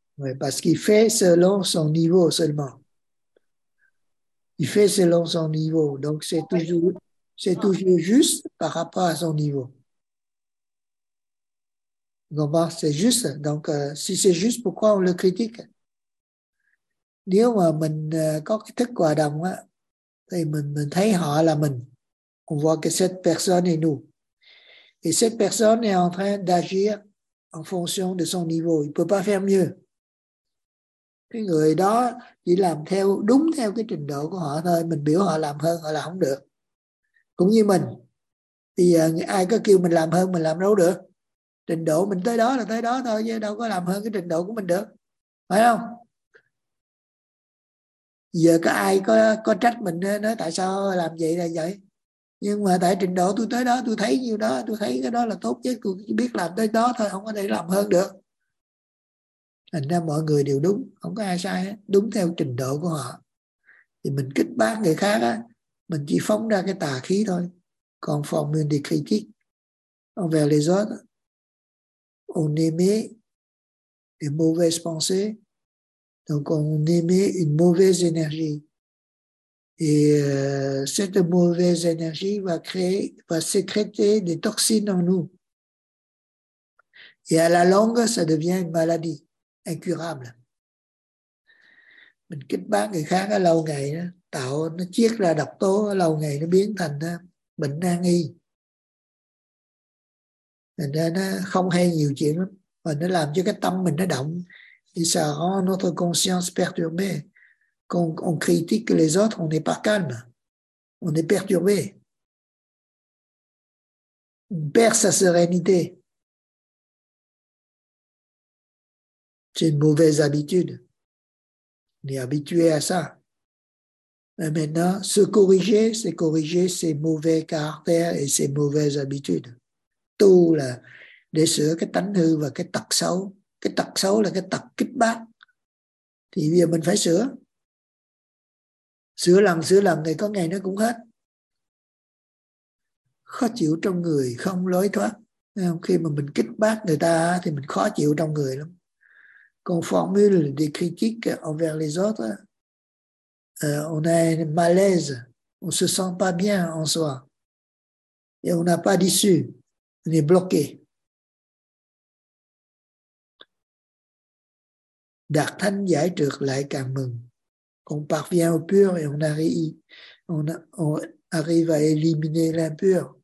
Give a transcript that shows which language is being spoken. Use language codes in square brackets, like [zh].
[fr] Oui, parce qu'il fait selon son niveau seulement. Il fait selon son niveau. Donc, c'est toujours juste par rapport à son niveau. Donc, bon, c'est juste. Donc, si c'est juste, pourquoi on le critique? [vi] Nếu mà mình có cái thức hòa đồng á, thì mình thấy họ là mình. [fr] On voit que cette personne est nous. Et cette personne est en train d'agir en fonction de son niveau. Il ne peut pas faire mieux. [vi] Cái người đó chỉ làm theo, đúng theo cái trình độ của họ thôi. Mình biểu họ làm hơn, họ là không được. Cũng như mình. Bây giờ ai có kêu mình làm hơn, mình làm đâu được. Trình độ mình tới đó là tới đó thôi, chứ đâu có làm hơn cái trình độ của mình được. Phải không? Giờ có ai có trách mình, nói tại sao làm vậy là vậy. Nhưng mà tại trình độ tôi tới đó, tôi thấy nhiều đó, tôi thấy cái đó là tốt nhất, tôi chỉ biết làm tới đó thôi, không có thể làm hơn được. Thành ra mọi người đều đúng, không có ai sai hết, đúng theo trình độ của họ. Thì mình kích bác người khác á, mình chỉ phóng ra cái tà khí thôi. Còn phòng mình thì critique. [fr] Envers les autres, on émet des mauvaises pensées. Donc on émet une mauvaise énergie. Et cette mauvaise énergie va sécréter des toxines en nous. Et à la longue, ça devient une maladie incurable. [vi] Mình kích bác người khác lâu ngày tạo nó chiết ra độc tố lâu ngày nó biến thành bệnh nan y. Thành ra nó không hay nhiều chuyện lắm, và nó làm cho cái tâm mình nó động. [fr] Et ça rend notre conscience perturbée. Quand on critique les autres, on n'est pas calme. On est perturbé. On perd sa sérénité. C'est une mauvaise habitude. On est habitué à ça. Mais maintenant, se corriger, c'est corriger ses mauvais caractères et ses mauvaises habitudes. [vi] Tout là để sửa cái tánh hư và cái tật xấu. Cái tật xấu là cái tật kích bác. Thì bây giờ mình phải sửa. Sửa lần thì có ngày nó cũng hết. Khó chịu trong người không lối thoát. Khi mà mình kích bác người ta thì mình khó chịu trong người lắm. [fr] Còn formule des critiques envers les autres, on a un malaise, on se sent pas bien en soi. Et on n'a pas d'issue, on est bloqué. [vi] Đạt thanh giải trượt lại càng mừng. [fr] qu'on parvient au pur et on arrive à éliminer l'impur.